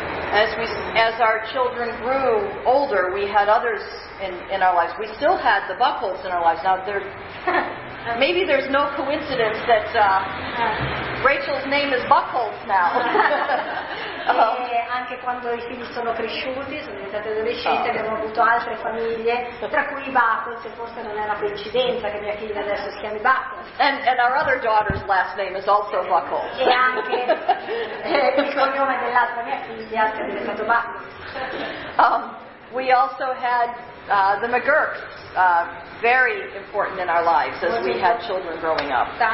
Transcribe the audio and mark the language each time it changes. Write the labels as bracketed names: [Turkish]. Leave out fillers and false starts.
[English] As our children grew older, we had others in our lives. We still had the Buckholz in our lives. Now they're. Maybe there's no coincidence that Rachel's name is Buckholz now. [Italian] E anche quando i figli sono cresciuti, sono diventati adolescenti, abbiamo avuto altre famiglie, tra cui i Buckholz, e forse non è una coincidenza che mia figlia adesso si chiami Buckholz. [English] And our other daughter's last name is also Buckholz. [Italian] E anche il cognome dell'altra mia figlia è diventato Buckholz. [English] We also had the McGurks. Very important in our lives as we had children growing up.